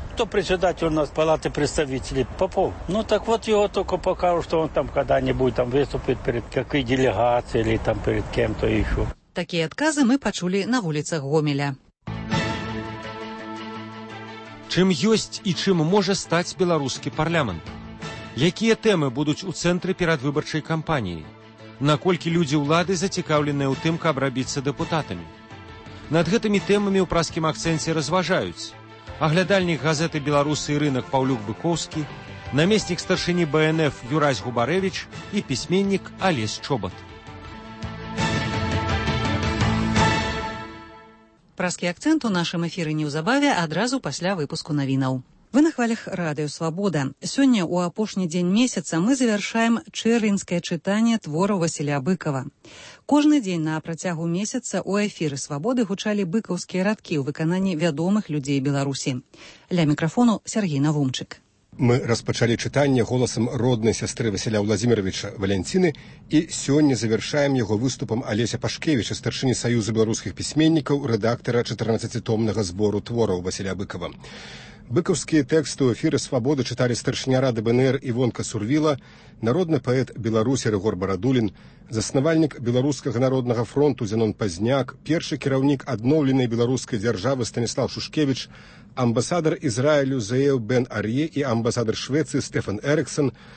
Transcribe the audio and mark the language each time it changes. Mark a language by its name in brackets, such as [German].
[Russian] Кто председатель у нас палаты представителей? Попов. Ну так вот его только покажу, что он там когда-нибудь там выступит перед какой делегацией или там перед кем-то еще. Такие отказы мы почули на улицах Гомеля. Чем есть и чем может стать белорусский парламент? Какие темы будут у центра передвыборчей кампании? [Belarusian] Наколькі людзі ўлады зацікаўленыя ў тым, каб рабіцца дэпутатамі. Над гэтымі тэмамі ў праскім акцэнце разважаюць. Аглядальнік газеты «Беларусы і рынак» Паўлюк Быкоўскі, намеснік старшыні БНФ Юразь Губарэвіч і пісьменнік Алес Чобат. Праскі акцэнт у нашым эфіры неўзабаве адразу пасля выпуску навінаў. Вы на хвалях Радыё Свабода. Сёння ў апошні дзень месяца мы завяршаем чэрвеньскае чытанне твораў Васіля Быкава. Кожны дзень на працягу месяца ў эфіры Свабоды гучалі быкаўскія радкі ў выкананні вядомых людзей Беларусі. Ля мікрафону Сергій Навумчык. Мы распачалі чытанне голасам роднай сястры Васіля Владзіміровича Валянціны і сёння завяршаем яго выступам Алеся Пашкевіча, старшыні Саюза беларускіх пісьменнікаў, рэдактара 14-томнага збору твораў Васіля Быкава. Быкаўскія тэксты ў эфіры «Свабоды» чыталі старшыня Рады БНР Івонка Сурвіла, народны паэт Беларусі Рыгор Барадулін, заснавальнік Беларускага народнага фронту Зянон Пазняк, першы кіраўнік адноўленай беларускай дзяржавы Станіслав Шушкевіч, амбасадар Ізраілю Зеев Бен Ар'є і амбасадар Швецыі Стэфан Эрыксон,